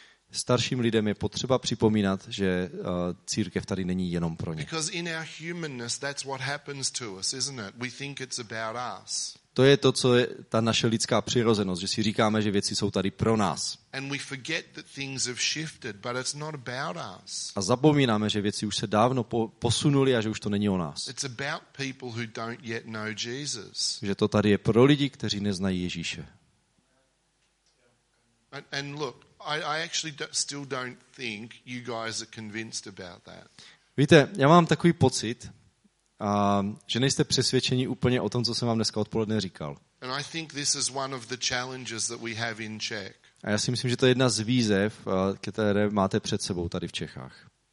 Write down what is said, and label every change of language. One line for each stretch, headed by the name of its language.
Czech: Starším lidem je potřeba připomínat, že církev tady není jenom pro ně.
English: Because in our humanness that's what happens to us, isn't it? We think it's about us.
Czech: To je to, co je ta naše lidská přirozenost, že si říkáme, že věci jsou tady pro nás.
English: And we forget that things have shifted, but it's not about us.
Czech: A zapomínáme, že věci už se dávno posunuly a že už to není o nás.
English: It's about people who don't yet know Jesus.
Czech: Že to tady je pro lidi, kteří neznají Ježíše.
English: And look, I actually still don't think you guys are convinced about that.
Czech: Víte, já mám takový pocit, že nejste přesvědčeni úplně o tom, co jsem vám dneska odpoledne říkal.
English: And I think this is one of the challenges that we have in Czech.
Czech: A já si myslím, že to je jedna z výzev, které máte před sebou tady v Čechách.